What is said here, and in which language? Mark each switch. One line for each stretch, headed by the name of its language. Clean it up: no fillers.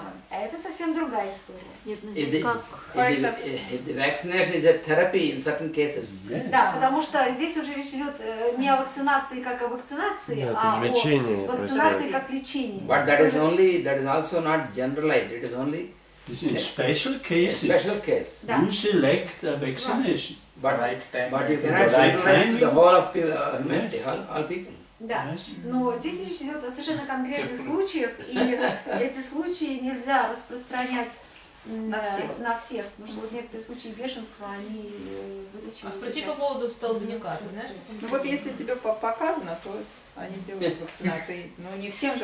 Russian: Это совсем другая история.
English: If the vaccination is a therapy in certain cases.
Russian: Да, потому что здесь уже речь идет не о вакцинации как о вакцинации, а о вакцинации как лечении.
English: But that is only, that is also not generalized. It is only. This is special cases. Special case. You select a vaccination. But you cannot generalize to the whole of humanity, all people.
Russian: Да, но здесь речь идет о совершенно конкретных случаях, и эти случаи нельзя распространять на всех, потому что вот некоторые случаи бешенства, они вылечиваются. А спроси сейчас по поводу столбняка, да? Ну вот если тебе показано, то они делают вакцинацию, но не всем же